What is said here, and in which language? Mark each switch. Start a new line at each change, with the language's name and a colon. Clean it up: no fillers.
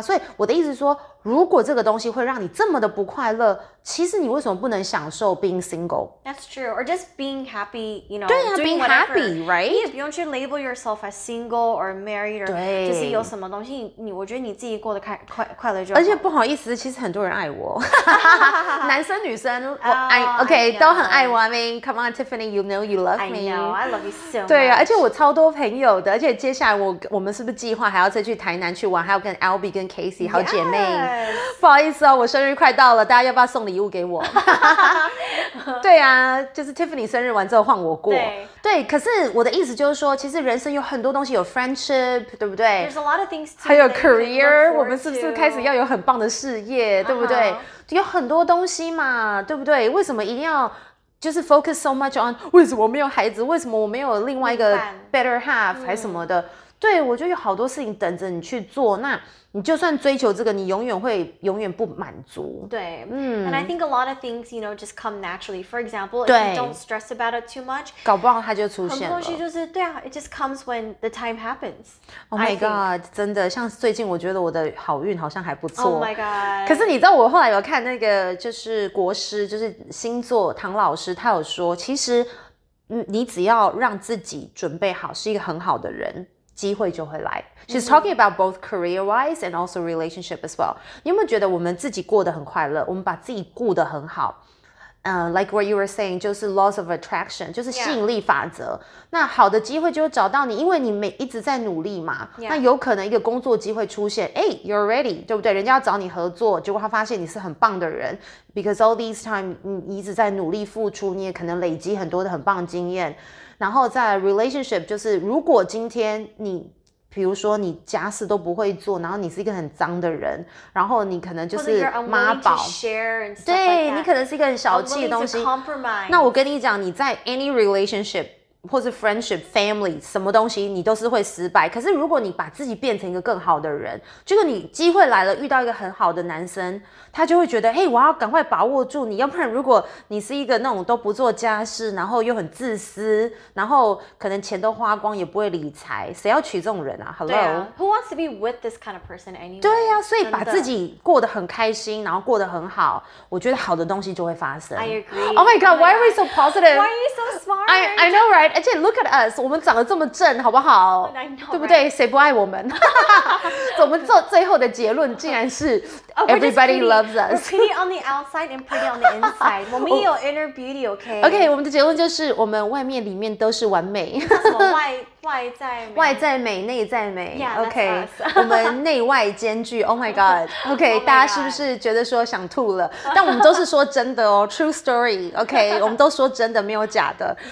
Chinese: 所以我的意思是说，如果这个东西会让你这么的不快乐，其实你为什么不能享受 being single?
English: That's true. Or just being happy, you know, 对啊 being happy, right? 你也不用去 label yourself as single or married, or
Chinese: 对就是有什么东西，你我觉得你自己过得快乐就好。而且不好意思，其实很多人爱我，男生女生，我爱、
English: OK, I
Chinese: 都很爱我。 I mean, come on, Tiffany, you know you love me.
English: I know, I love you so much.
Chinese: 对啊，而且我超多朋友的，而且接下来我们是不是计划还要再去台南去玩，还要跟 Albie 跟 Casey 好姐妹。
English: Yes.
Chinese: 不好意思哦，我生日快到了，大家要不要送礼物给我？对啊，就是 Tiffany 生日完之后换我过。对，可是我的意思就是说，其实人生有很多东西，有 friendship， 对不对
English: ？There's a lot of things to
Chinese: 还有 career， 我们是不是开始要有很棒的事业，
English: uh-huh.
Chinese: 对不对？有很多东西嘛，对不对？为什么一定要就是 focus so much on 为什么我没有孩子？为什么我没有另外一个 better half 还什么的？对，我觉得有好多事情等着你去做。那你就算追求这个，你永远会永远不满足。对，嗯。
English: And I think a lot of things, you know, just come naturally. For example, if you don't stress about it too much,
Chinese: 搞不好它就出现了。很多东西就是对啊 ， it just comes when the time happens. Oh my god, 真的，像最近我觉得我的好运好像还不错。
English: Oh my god.
Chinese: 可是你知道，我后来有看那个就是国师，就是星座唐老师，他有说，其实你只要让自己准备好，是一个很好的人。机会就会来。
English: She's talking about both career-wise and also relationship as well.
Chinese: 你有没有觉得我们自己过得很快乐？我们把自己顾得很好。 Like what you were saying, 就是 laws of attraction, 就是吸引力法则。
English: Yeah.
Chinese: 那好的机会就会找到你，因为你每一直在努力嘛。
English: Yeah.
Chinese: 那有可能一个工作机会出现，哎、 hey, ，you're ready，对不对？人家要找你合作，结果他发现你是很棒的人 ， because all these time 你一直在努力付出，你也可能累积很多的很棒经验。然后在 relationship 就是如果今天你比如说你家事都不会做，然后你是一个很脏的人，然后你可能就是妈宝，对，你可能是一个很小气的东西，那我跟你讲，你在 any relationship 或是 friendship family 什么东西你都是会失败。可是如果你把自己变成一个更好的人，就是你机会来了遇到一个很好的男生，他就会觉得嘿，我要赶快把握住你，要不然如果你是一个那种都不做家事，然后又很自私，然后可能钱都花光也不会理财，谁要娶这种人啊 ？Hello，
English: 对啊 ，Who wants to be with this kind of person anyway？
Chinese: 对啊，所以把自己过得很开心，然后过得很好，我觉得好的东西就会发生。
English: I agree. Oh my god, why are we so positive? Why are you so smart?
Chinese: I know, right? 而且 look at us，我们长得这么正，好不好？
English: I know,
Chinese: 对不对？
English: Right?
Chinese: 谁不爱我们？我们做最后的结论竟然是 everybody loves。
English: We're pretty on the outside and pretty on the inside.
Chinese: 我们也有 inner beauty, okay? Okay, 我们的结论就是我们外面里面都是完美。外在美，内在美。
English: Yeah, okay, that's us.
Chinese: 我们内外兼具。 Oh my god. Okay, oh my god. 大家是不是觉得说想吐了？但我们都是说真的哦， true story. Okay, 我们都说真的，没有假的。